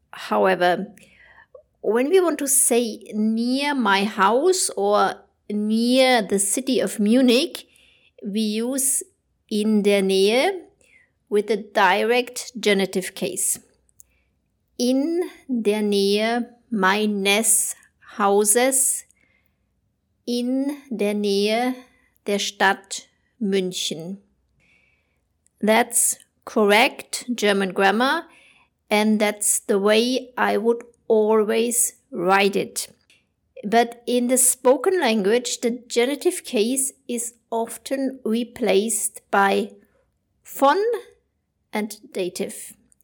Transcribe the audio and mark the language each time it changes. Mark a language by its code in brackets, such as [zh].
[en] However, when we want to say near my house or near the city of Munich, we use [de] in der Nähe [en] with a direct genitive case. [de] In der Nähe meines Hauses, in der Nähe der Stadt München. [en] That's correct German grammar, and that's the way I would always write it. But in the spoken language, the genitive case is often replaced by von and dative.